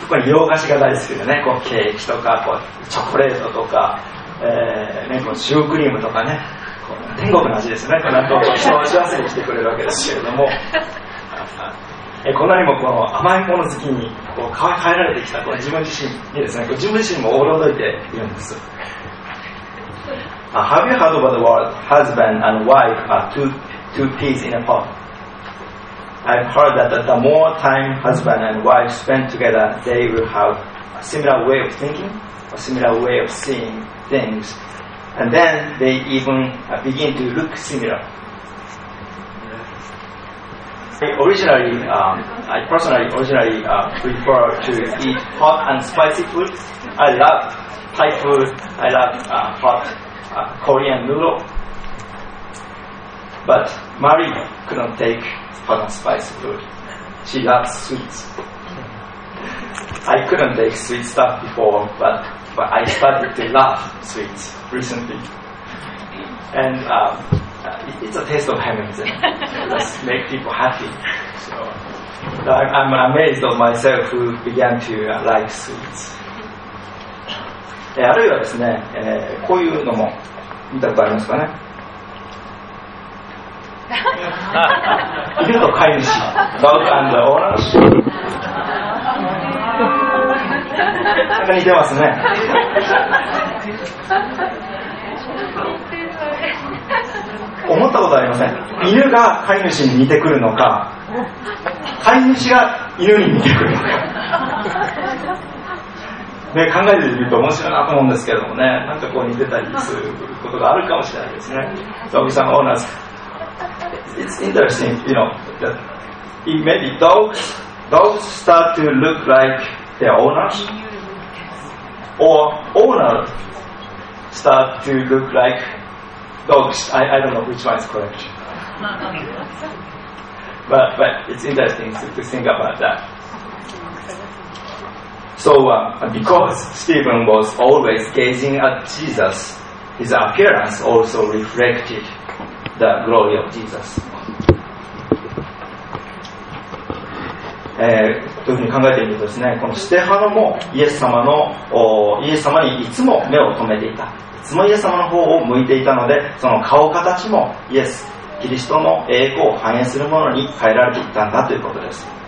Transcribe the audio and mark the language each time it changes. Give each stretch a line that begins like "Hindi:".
Japanese: 特に洋菓子が大好きでね、こうケーキとかこうチョコレートとか、ね、こうシュークリームとかね、こう天国の味ですね。この後人を幸せにしてくれるわけですけれども、こんなにもこの甘いもの好きにこう変えられてきたこう自分自身にですね、こう自分自身も驚いているんです。
English: Have you heard about the word husband and wife are two peas in a pod? I've heard that the more time husband and wife spend together, they will have a similar way of thinking, a similar way of seeing things. And then they even begin to look similar. I personally prefer to eat hot and spicy food. I love Thai food. I love hot Korean noodle. But Marie couldn't take hot and spicy food. She loves sweets. I couldn't take sweet stuff before, but I started to love sweets recently. And it's a taste of heaven. It does make people happy. So I'm amazed of myself who began to like sweets.
Japanese: あるいはですね、こういうのも見たことありますかね。犬と飼い主、
English: Dog and the owner。
Japanese: なんか似てますね。思ったことありません。犬が飼い主に似てくるのか、飼い主が犬に似てくるのか、ね、考えてみると面白いなと思うんですけどもね。なんかこう似てたりすることがあるかもしれないですね。ドッグさんのオーナーさん、
English: It's interesting, you know, that maybe dogs start to look like their owners, or owners start to look like dogs. I don't know which one is correct. But it's interesting to think about that. So because Stephen was always gazing at Jesus, his appearance also reflected the glory of Jesus.
Japanese: というふうに考えてみるとですね、このステファノもイエス様にいつも目を留めていた、いつもイエス様の方を向いていたので、その顔形もイエス、キリストの栄光を反映するものに変えられていったんだということです。